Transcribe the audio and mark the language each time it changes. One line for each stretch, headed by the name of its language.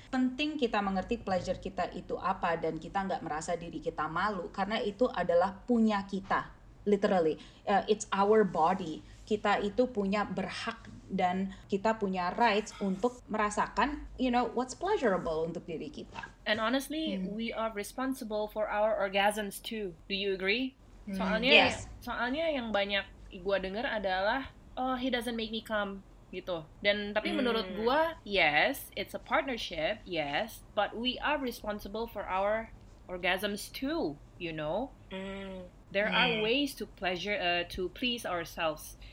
Indonesian: Penting kita mengerti pleasure kita itu apa dan kita nggak merasa diri kita malu. Karena itu adalah punya kita, literally.
English: It's our body.
Indonesian: Kita itu punya berhak dan kita punya rights untuk merasakan,
English: you know, what's pleasurable
Indonesian: untuk diri kita.
English: And honestly, we are responsible for our orgasms too. Do you agree?
Indonesian: Soalnya, soalnya yang banyak gue dengar adalah, oh,
English: he doesn't make me come,
Indonesian: gitu. Dan tapi menurut gue,
English: yes, it's a partnership, yes, but we are responsible for our orgasms too, you know. There are ways to pleasure, to please ourselves.